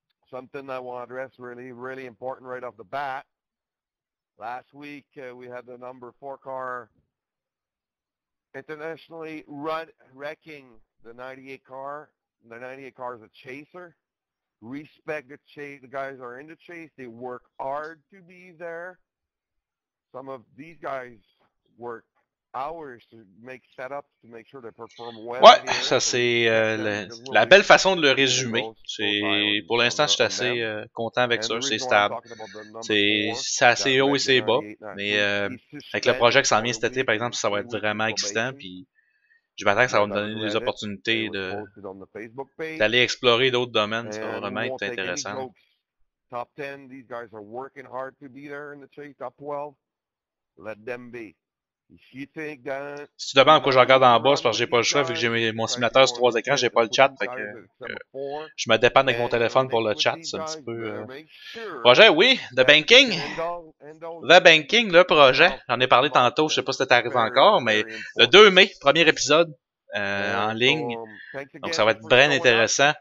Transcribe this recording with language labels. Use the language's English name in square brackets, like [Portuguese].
[English] Something I want to address really, really important right off the bat. Last week, we had the number 4 car internationally wrecking the 98 car. The 98 car is a chaser. Respect the chase. The guys are in the chase. They work hard to be there. Some of these guys work hours to make setups to make sure they perform well. [French] Ouais, ça c'est la belle façon de le résumer. C'est, pour l'instant, je suis assez content avec ça. C'est stable. C'est assez haut et c'est bas. Mais avec le projet qui s'en vient cet été, par exemple, ça va être vraiment excitant. Puis je m'attends que ça va me donner des opportunités d'aller explorer d'autres domaines. Ça va vraiment être intéressant. [English] Top 10, these guys are working hard to be there in the chase. Top 12, let them be. [French] Si tu demandes quoi je regarde en bas, c'est parce que j'ai pas le choix, vu que j'ai mon simulateur sur 3 écrans, j'ai pas le chat, fait que je me dépanne avec mon téléphone pour le chat, c'est un petit peu... Projet, oui, The Banking! The Banking, le projet, j'en ai parlé tantôt, je sais pas si t'es arrivé encore, mais le 2 mai, premier épisode, en ligne, donc ça va être bien intéressant.